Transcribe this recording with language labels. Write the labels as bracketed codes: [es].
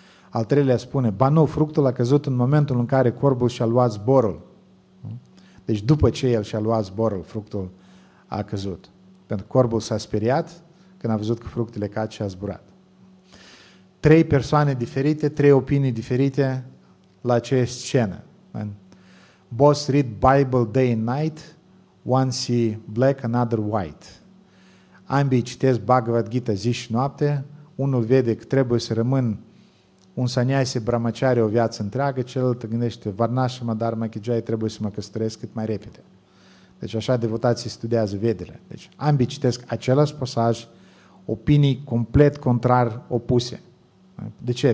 [ro] Al treilea spune, ba nu, fructul a căzut în momentul în care corbul și-a luat zborul. Deci după ce el și-a luat zborul, fructul a căzut. Pentru că corbul s-a speriat când a văzut că fructele cad și a zburat. Trei persoane diferite, trei opinii diferite la această scenă. [en] Both read Bible day and night, one see black, another white. [ro] Ambii citesc Bhagavad Gita zi și noapte, unul vede că trebuie să rămân un sanyasi brahmachari o viață întreagă, celălalt gândește Varnashrama Dharma Kijaya, trebuie să mă căsătoresc cât mai repede. Deci așa devotații studiază vedele. Deci ambii citesc același pasaj, opinii complet contrar opuse. De ce?